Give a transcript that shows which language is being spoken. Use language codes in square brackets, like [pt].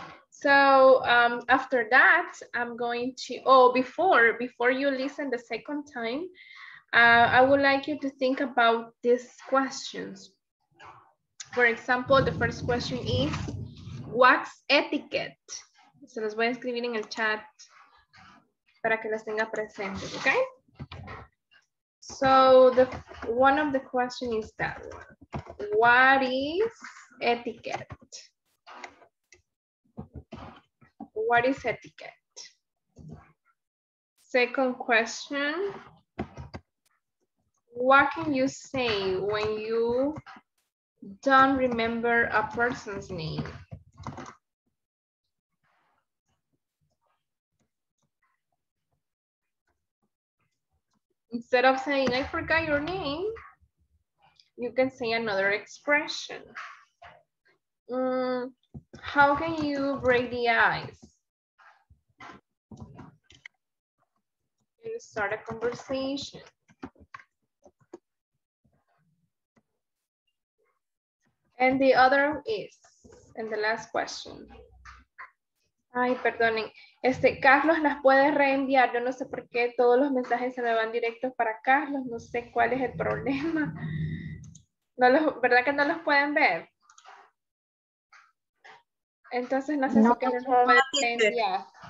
[en] So after that, I'm going to, before you listen the second time, I would like you to think about these questions. For example, the first question is, what's etiquette? [es] Se los voy a escribir en el chat para que las tenga presentes, okay? [en] So the one of the question is that one. What is etiquette? What is etiquette? Second question. What can you say when you don't remember a person's name? Instead of saying, I forgot your name, you can say another expression. How can you break the ice? You start a conversation. And the other is, and the last question. [es] Ay, perdonen. Carlos, ¿las puedes reenviar? Yo no sé por qué todos los mensajes se me van directos para Carlos. No sé cuál es el problema. No los, ¿verdad que no los pueden ver? Entonces, no sé si que los puedes reenviar.